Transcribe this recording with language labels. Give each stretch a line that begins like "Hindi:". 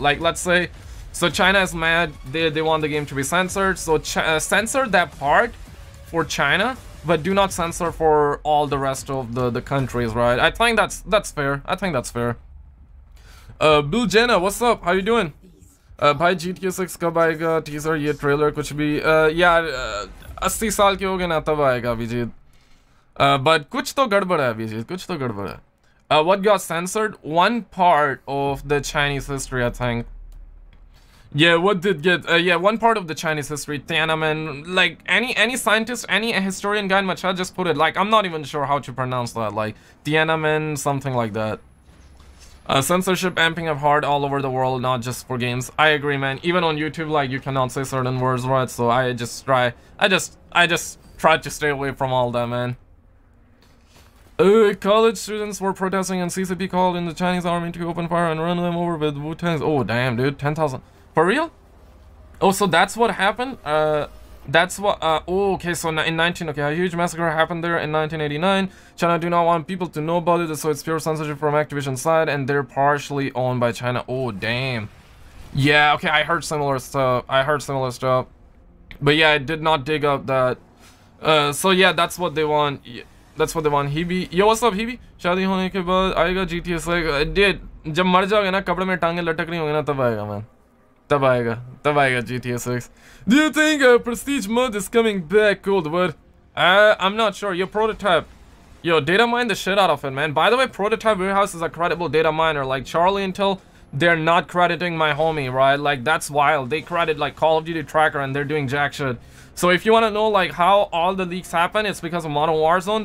English: Like, let's say, so China is mad, they want the game to be censored, so censor that part for China, but do not censor for all the rest of the countries, right? I think that's fair. I think that's fair. Bill Jenna, what's up? How you doing?
Urdu: بھائی GTA 6 کب آئیگا teaser یہ trailer کچھ بھی یار 80 سال کے ہو گئے نا تب آئیگا وجیت. But کچھ تو گڑبڑ ہے وجیت، کچھ تو گڑبڑ ہے.
English: What got censored? One part of the Chinese history, I think. Yeah, what did get... one part of the Chinese history, Tiananmen... Like, any scientist, any historian guy in my chat just put it. Like, I'm not even sure how to pronounce that. Like, Tiananmen, something like that. Censorship amping up hard all over the world, not just for games. I agree, man. Even on YouTube, like, you cannot say certain words, right? So I just try to stay away from all that, man. College students were protesting and CCP called in the Chinese army to open fire and run them over with Wu-Tangs. Oh, damn, dude. 10,000... For real? Oh, so that's what happened? Okay, a huge massacre happened there in 1989. China do not want people to know about it, so it's pure censorship from Activision side, and they're partially owned by China. Oh, damn. Yeah, okay, I heard similar stuff. But yeah, I did not dig up that. So yeah, that's what they want. That's what they want. Hebe. Yo, what's up, Hebe?
Urdu: شادی ہونے کے بعد آئیگا GTA 6. Dude، جب مر جاؤ گے نا، کپڑے میں ٹانگے لٹک رہی ہونگے نا، تب آئیگا، man. تبائیگا GTA 6.
English: Do you think Prestige mod is coming back, Cold War? I'm not sure. Your prototype. Yo, data mine the shit out of it, man. By the way, Prototype Warehouse is a credible data miner. Like, Charlie Intel, they're not crediting my homie, right? Like, that's wild. They credit, like, Call of Duty Tracker, and they're doing jack shit. So if you want to know, like, how all the leaks happen, it's because of Modern Warzone.